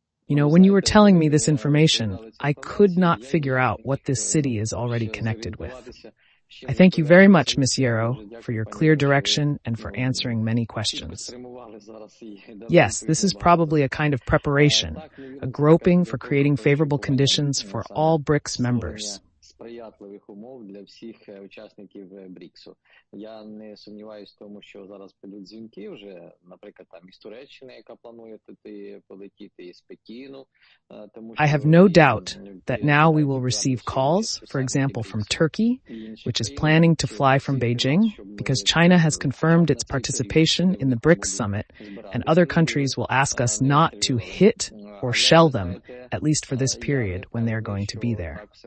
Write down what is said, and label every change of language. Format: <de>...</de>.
<en>You know, when you were telling me this information, I could not figure out what this city is already connected with. I thank you very much, Ms. Yero, for your clear direction and for answering many questions. Yes, this is probably a kind of preparation, a groping for creating favorable conditions for all BRICS members.</en> <uk>Сприятливих умов для всіх учасників БРІКСу. Я не сумніваюся в тому, що зараз підуть дзвінки вже, наприклад, там із Туреччини, яка планує туди полетіти, із Пекіну. Тому що</uk> <en>I have no doubt that now we will receive calls, for example, from Turkey, which is planning to fly from Beijing, because China has confirmed its participation in the BRICS summit, and other countries will ask us not to hit or shell them, at least for this period, when they are going to be there.</en>